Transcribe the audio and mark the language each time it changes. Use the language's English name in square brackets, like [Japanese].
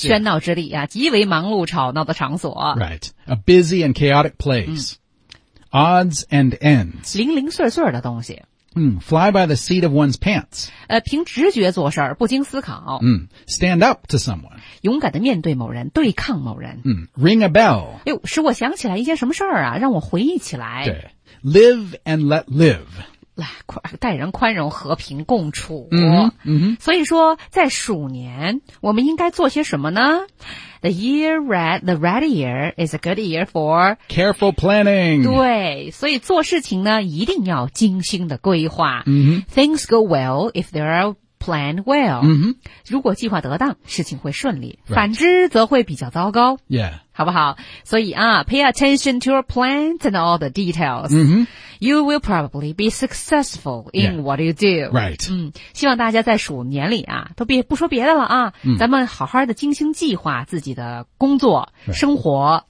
[Chinese] 喧闹之地啊极为忙碌吵闹的场所。 [English] Right. A busy and chaotic place.、Odds and ends. [Chinese] 零零碎碎的东西。 [English] Fly by the seat of one's pants. [Chinese] 凭直觉做事儿，不经思考。 [English] Stand up to someone. [Chinese] 勇敢地面对某人，对抗某人。 [English] Ring a bell. [Chinese] 哎呦，使我想起来一件什么事儿啊，让我回忆起来。对。 [English] Live and let live. [Chinese] 来，待人宽容，和平共处。所以说，在鼠年，我们应该做些什么呢？ [English] The red year is a good year for careful planning. [Chinese] 对，所以做事情呢，一定要精心的规划。 [English] Things go well if there are planned well. [Chinese] 如果计划得当，事情会顺利。 [English] Right. [Chinese] 反之，则会比较糟糕。 [English] Yeah. [Chinese] 好不好？所以啊 [English] ，pay attention to your plans and all the details.、You will probably be successful in、 yeah. what you do. Right. [Chinese] 希望大家在鼠年里啊，都别不说别的了啊，咱们好好的精心计划自己的工作、生活、